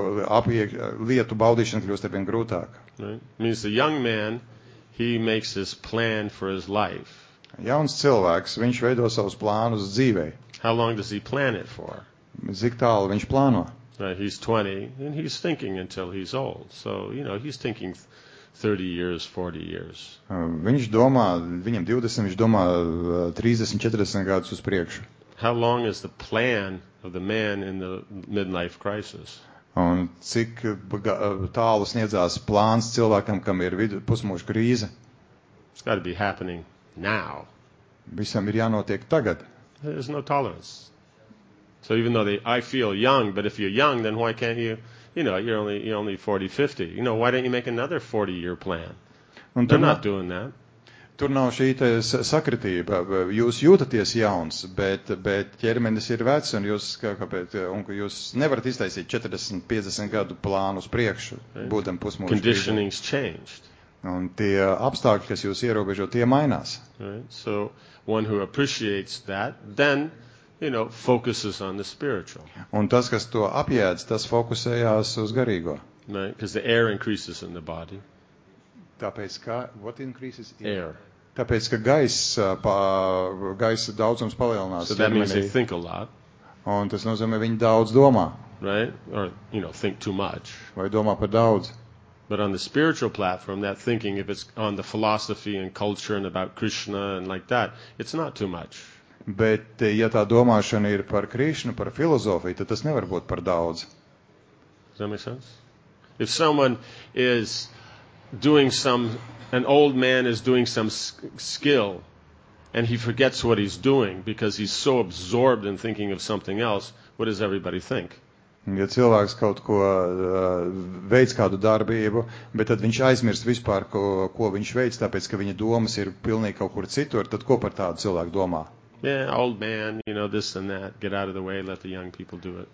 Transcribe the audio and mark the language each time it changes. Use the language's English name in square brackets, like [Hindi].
[Latvian] Lietu baudīšana kļūst arvien grūtāk. [English] Right? Means the young man, he makes his plan for his life. [Latvian] Jauns cilvēks, viņš veido savus plānus dzīvē. [English] How long does he plan it for? [Latvian] Cik tālu viņš plāno? [English] Right, he's 20 and he's thinking until he's old. So, you know, he's thinking 30 years, 40 years. [Latvian] Viņš domā, viņam 20, viņš domā 30, 40 gadus uz priekšu. [English] How long is the plan of the man in the midlife crisis? [Latvian] Un cik tālu sniedzās plāns cilvēkam, kam ir pusmūža krīze? [English] It's got to be happening. Now. [Latvian] Visam ir jānotiek tagad. [English] There's no tolerance. So even though I feel young, but if you're young, then why can't you, you know, you're only 40, 50. You know, why don't you make another 40-year plan? [Latvian] Un [English] they're not doing that. [Latvian] Tur nav šī te sakritība. Jūs jūtaties jauns, bet ķermenis ir vecs, un jūs nevarat iztaisīt 40-50 gadu plānus priekšu, būdami pusmūžu. [English] Conditioning's changed. [Latvian] Un tie apstākļi, kas jūs ierobežo, tie mainās. [English] Right. So, one who appreciates that, then, you know, focuses on the spiritual. [Latvian] Un tas, kas to apjēdz, tas fokusējās uz garīgo. [English] Right, because the air increases in the body. [Latvian] Tāpēc, ka, [English] what increases in? Air. [Latvian] Tāpēc, ka gaisa daudzums palielinās. [English] So that means they think a lot. [Latvian] Un tas nozīmē, viņi daudz domā. [English] Right? Or, you know, think too much. [Latvian] Vai domā par daudz. [English] But on the spiritual platform, that thinking, if it's on the philosophy and culture and about Krishna and like that, it's not too much. [Latvian] Bet, ja tā domāšana ir par Krishna, par filozofiju, tad tas nevar būt par daudz. [English] Does that make sense? If someone is doing some, an old man is doing some skill and he forgets what he's doing because he's so absorbed in thinking of something else, what does everybody think? [Latvian] Ja cilvēks kaut ko veic kādu darbību, bet tad viņš aizmirst vispār, ko viņš veic, tāpēc, ka viņa domas ir pilnīgi kaut kur citur, tad ko par tādu cilvēku domā? [English] Yeah, old man, you know, this and that, get out of the way, let the young people do it.